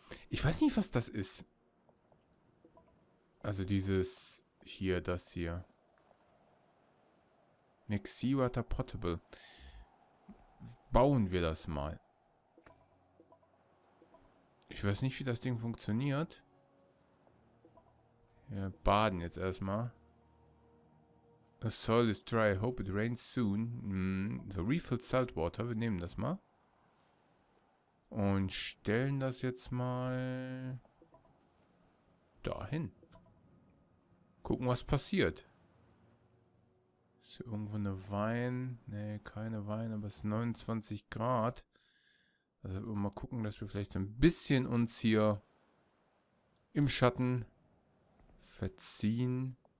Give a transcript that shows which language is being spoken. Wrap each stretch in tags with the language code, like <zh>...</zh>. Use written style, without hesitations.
<de>Ich weiß nicht, was das ist. Also dieses hier, das hier.</de> <en>Seawater Potable.</en> <de>Bauen wir das mal. Ich weiß nicht, wie das Ding funktioniert. Wir baden jetzt erstmal.</de> <en>The soil is dry. I hope it rains soon. The refilled salt water.</en> <de>Wir nehmen das mal. Und stellen das jetzt mal dahin. Gucken, was passiert. Ist hier irgendwo eine Wein? Ne, keine Wein, aber es ist 29 Grad. Also mal gucken, dass wir vielleicht ein bisschen uns hier im Schatten verziehen.</de>